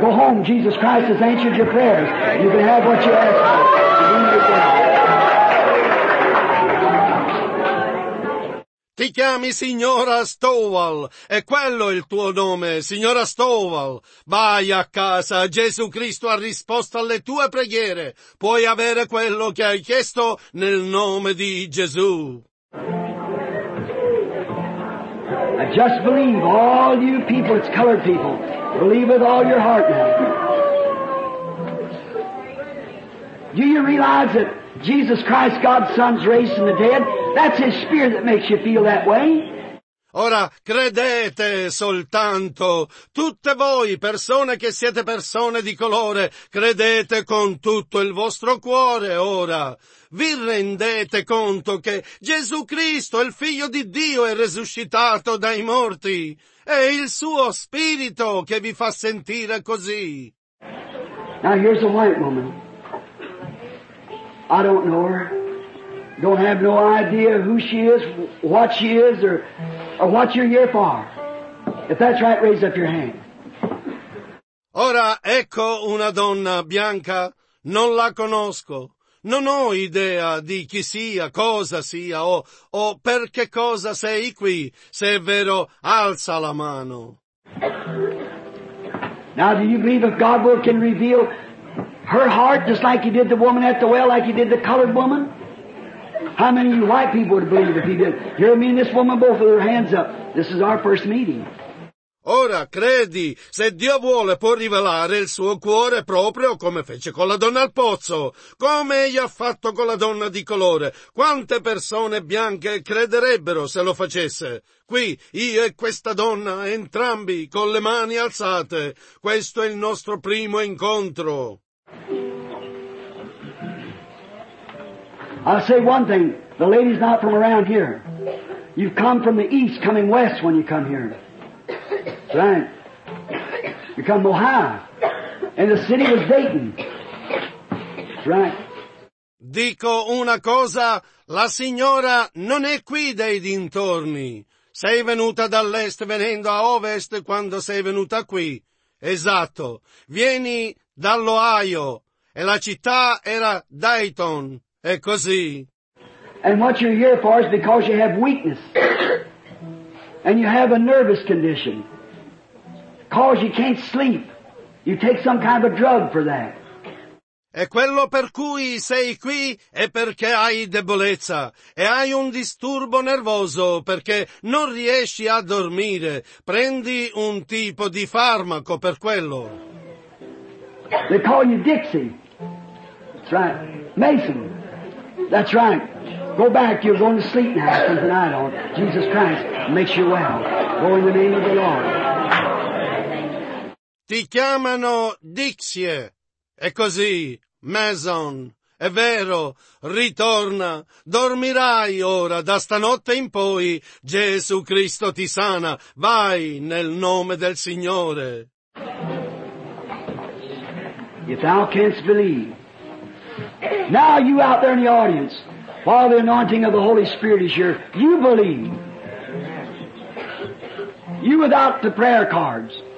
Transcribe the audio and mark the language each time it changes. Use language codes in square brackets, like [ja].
[en] Go home, Jesus Christ has answered your prayers. You can have what you ask for. [it] Ti chiami signora Stovall, è quello il tuo nome, signora Stovall. Vai a casa, Gesù Cristo ha risposto alle tue preghiere. Puoi avere quello che hai chiesto nel nome di Gesù. [en] I just believe all you people, it's colored people. Believe with all your heart now. Do you realize that Jesus Christ, God's Son, is raised from the dead? That's His Spirit that makes you feel that way. [it] Ora, credete soltanto, tutte voi, persone che siete persone di colore, credete con tutto il vostro cuore ora. Vi rendete conto che Gesù Cristo, il Figlio di Dio, è resuscitato dai morti? È il suo Spirito che vi fa sentire così. [en] Now here's a white woman. I don't know her. Don't have no idea who she is, what she is, or what you're here for. If that's right, raise up your hand. [it] Ora ecco una donna bianca. Non la conosco. Non ho idea di chi sia, cosa sia, o per che cosa sei qui. Se è vero, alza la mano. [en] Now, do you believe if God can reveal her heart just like He did the woman at the well, like He did the colored woman? How many of you white people would believe if He did? Hear me and this woman both with her hands up. This is our first meeting. [it] Ora, credi, se Dio vuole può rivelare il suo cuore proprio come fece con la donna al pozzo, come egli ha fatto con la donna di colore. Quante persone bianche crederebbero se lo facesse? Qui, io e questa donna, entrambi, con le mani alzate. Questo è il nostro primo incontro. [en] I'll say one thing. The lady's not from around here. You've come from the east, coming west when you come here. Right. You come from Ohio. And the city was Dayton. Right. [it] Dico una cosa. La signora non è qui dai dintorni. Sei venuta dall'est venendo a ovest quando sei venuta qui. Esatto. Vieni dall'Ohio. E la città era Dayton. È così. [en] And what you're here for is because you have weakness. And you have a nervous condition. Cause you can't sleep. You take some kind of a drug for that. [it] E quello per cui sei qui è perché hai debolezza e hai un disturbo nervoso perché non riesci a dormire. Prendi un tipo di farmaco per quello. [en] They call you Dixie. That's right. Mason. That's right. Go back. You're going to sleep now. Something I don't. Jesus Christ makes you well. Go in the name of the Lord. [it] Ti chiamano Dixie. È così. Mason. È vero. Ritorna. Dormirai ora. Da stanotte in poi. Gesù Cristo ti sana. Vai nel nome del Signore. [en] If thou canst believe. Now you out there in the audience, while the anointing of the Holy Spirit is here, you believe. You without the prayer cards.